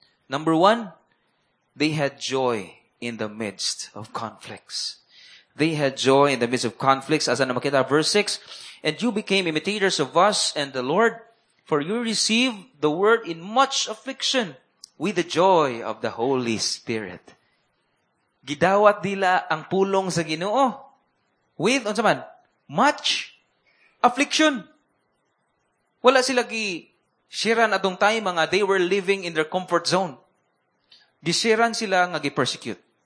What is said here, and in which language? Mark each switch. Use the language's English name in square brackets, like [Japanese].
[English] Number one, they had joy in the midst of conflicts. They had joy in the midst of conflicts. [Cebuano] Asa na makita, [English] verse 6, and you became imitators of us and the Lord, for you received the word in much affliction with the joy of the Holy Spirit. [Cebuano] Gidawat dila ang pulong sa Ginoo with, unsa man, [English] much affliction. [Cebuano] Wala sila gisiran atong time nga [English] they were living in their comfort zone. [Cebuano] Gisiran sila nga gipersecute.